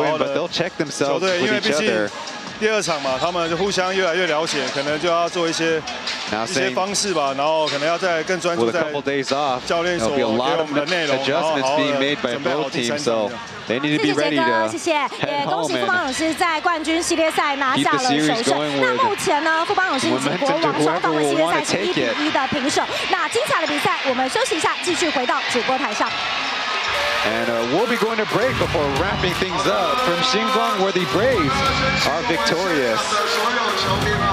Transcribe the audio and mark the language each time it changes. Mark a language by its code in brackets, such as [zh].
[en] win, but they'll check themselves with each other. [zh] 第二场嘛，他们就互相越来越了解，可能就要做一些方式吧，然后可能要再更专注在教练所给我们的内容，然后好好的准备好第三场。谢谢杰哥，谢谢，也恭喜富邦勇士在冠军系列赛拿下了首胜。那目前呢，富邦勇士以及国王双方的系列赛是1-1的平手。那精彩的比赛，我们休息一下，继续回到主播台上。 [en] And we'll be going to break before wrapping things up from Xinguang, where the Braves are victorious.